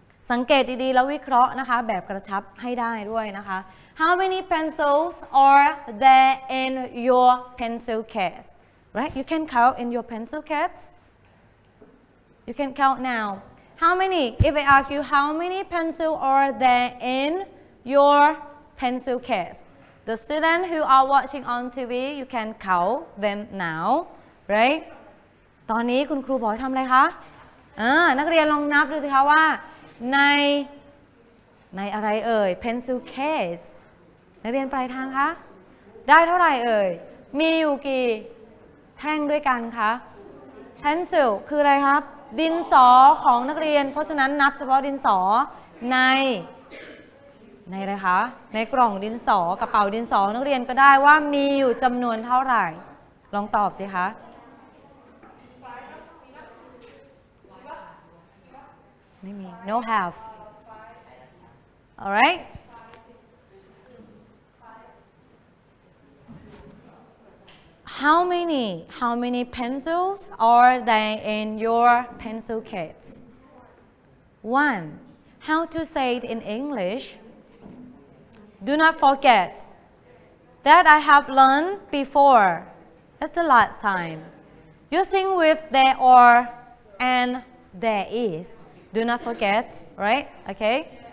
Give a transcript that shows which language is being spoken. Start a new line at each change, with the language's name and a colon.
Thai: สังเกตดีๆแล้ววิเคราะห์นะคะแบบกระชับให้ได้ด้วยนะคะ
English: how many pencils are there in your pencil case right you can count in your pencil case you can count nowHow many? If I ask you, how many pencils are there in your pencil case? The students who are watching on TV, you can count them now, right?
Thai: ตอนนี้คุณครูบอกให้ทำอะไรคะนักเรียนลองนับดูสิคะว่าในอะไรเอ่ย pencil case นักเรียนปลายทางคะได้เท่าไหร่เอ่ยมีอยู่กี่แท่งด้วยกันคะ pencil คืออะไรครับดินสอของนักเรียนเพราะฉะนั้นนับเฉพาะดินสอใน อะไรคะในกล่องดินสอกระเป๋าดินสอนักเรียนก็ได้ว่ามีอยู่จำนวนเท่าไหร่ลองตอบสิคะไม่มี
English: no have all right How many pencils are there in your pencil case? One. How to say it in English? Do not forget that I have learned before. That's the last time. Using with there are and there is. Do not forget, right? Okay.